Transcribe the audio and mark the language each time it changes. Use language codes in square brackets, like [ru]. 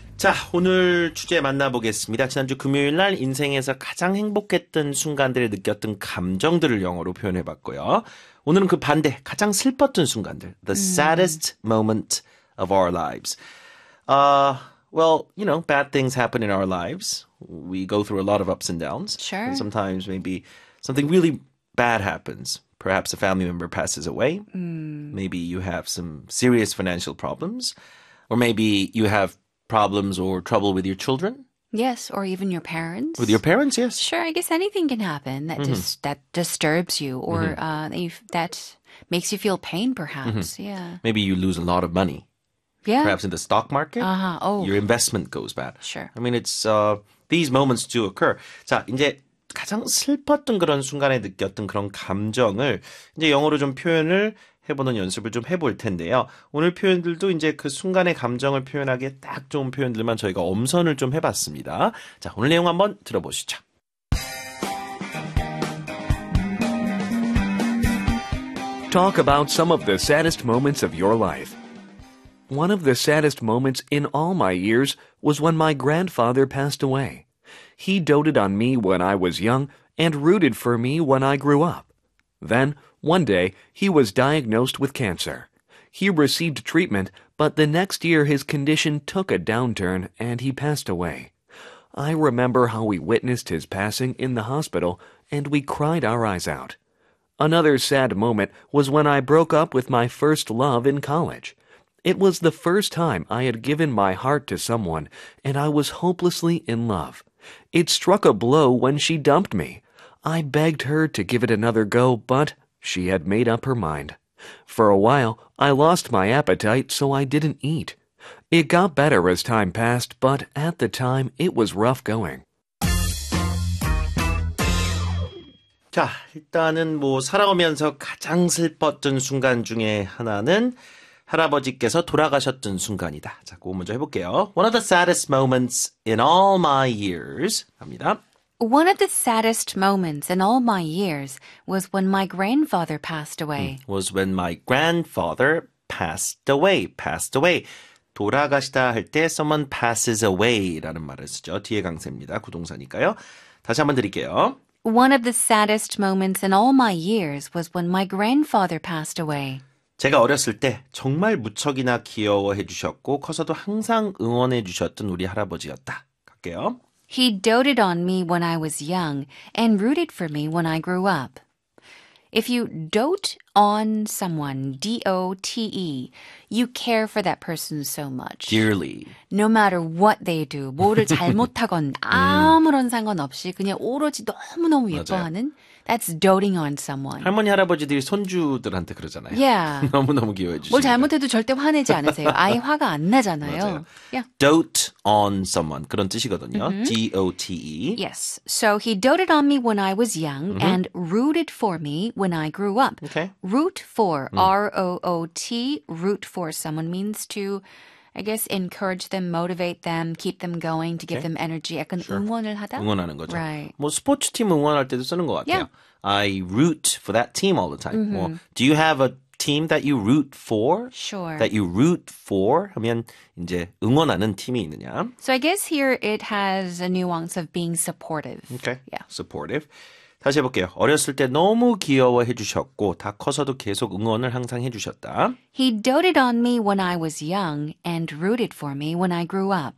[ko] 자, 오늘 주제 만나보겠습니다. 지난주 금요일 날 인생에서 가장 행복했던 순간들을 느꼈던 감정들을 영어로 표현해봤고요. 오늘은 그 반대, 가장 슬펐던 순간들. [en] The saddest moment of our lives. Well, you know, bad things happen in our lives. We go through a lot of ups and downs. Sure. And sometimes maybe something really bad happens. Perhaps a family member passes away. Maybe you have some serious financial problems. Or maybe you have problems or trouble with your children. Yes, or even your parents. With your parents, yes. Sure, I guess anything can happen that that disturbs you or that makes you feel pain, perhaps. Mm-hmm. Yeah. Maybe you lose a lot of money. Yeah. Perhaps in the stock market. Uh-huh. Oh. Your investment goes bad. Sure. I mean, it's these moments do occur. [ko] 자, 이제 가장 슬펐던 그런 순간에 느꼈던 그런 감정을 이제 영어로 좀 표현을 해보는 연습을 좀 해볼 텐데요. 오늘 표현들도 이제 그 순간의 감정을 표현하기에 딱 좋은 표현들만 저희가 엄선을 좀 해봤습니다. 자, 오늘 내용 한번 들어보시죠. [en] Talk about some of the saddest moments of your life. One of the saddest moments in all my years was when my grandfather passed away. He doted on me when I was young and rooted for me when I grew up. Then, one day, he was diagnosed with cancer. He received treatment, but the next year his condition took a downturn and he passed away. I remember how we witnessed his passing in the hospital and we cried our eyes out. Another sad moment was when I broke up with my first love in college. It was the first time I had given my heart to someone and I was hopelessly in love. It struck a blow when she dumped me. I begged her to give it another go, but she had made up her mind. For a while, I lost my appetite, so I didn't eat. It got better as time passed, but at the time, it was rough going. [ko] 자, 일단은 뭐 살아오면서 가장 슬펐던 순간 중에 하나는 할아버지께서 돌아가셨던 순간이다. 자, 그거 먼저 해볼게요. [en] One of the saddest moments in all my years. [ko] 갑니다. [en] One of the saddest moments in all my years was when my grandfather passed away. Was when my grandfather passed away. Passed away. [ko] 돌아가시다 할 때 [en] someone passes away [ko] 라는 말을 쓰죠. 뒤에 강세입니다. 구동사니까요. 다시 한번 드릴게요. [en] One of the saddest moments in all my years was when my grandfather passed away. [ko] 제가 어렸을 때 정말 무척이나 귀여워해 주셨고 커서도 항상 응원해 주셨던 우리 할아버지였다. 갈게요. [en] He doted on me when I was young and rooted for me when I grew up. If you dote on someone, D-O-T-E, you care for that person so much. Dearly. No matter what they do, [ko] 뭐를 잘못하건 아무런 상관없이 그냥 오로지 너무너무 예뻐하는 맞아요. [en] That's doting on someone. [ko] 할머니, 할아버지들이 손주들한테 그러잖아요. [en] Yeah. [ko] 너무너무 귀여워해 주시고 뭘 잘못해도 절대 화내지 않으세요. 아예 화가 안 나잖아요. 맞아요. [en] Yeah. Dote on someone. [ko] 그런 뜻이거든요. [en] Mm-hmm. D-O-T-E. Yes. So he doted on me when I was young mm-hmm. and rooted for me when I grew up. Okay. Root for, R-O-O-T, root for someone means to, I guess, encourage them, motivate them, keep them going, to give okay. them energy. 약간 sure. [ko] 응원을 하다? 응원하는 거죠. [en] Right. [ko] 뭐 스포츠팀 응원할 때도 쓰는 것 같아요. [en] Yeah. I root for that team all the time. Mm-hmm. 뭐, do you have a team that you root for? Sure. That you root for? [ko] 하면 이제 응원하는 팀이 있느냐? [en] So I guess here it has a nuance of being supportive. Okay. Yeah. [ko] Supportive. 다시 해볼게요. 어렸을 때 너무 귀여워해 주셨고 다 커서도 계속 응원을 항상 해주셨다. [en] He doted on me when I was young and rooted for me when I grew up.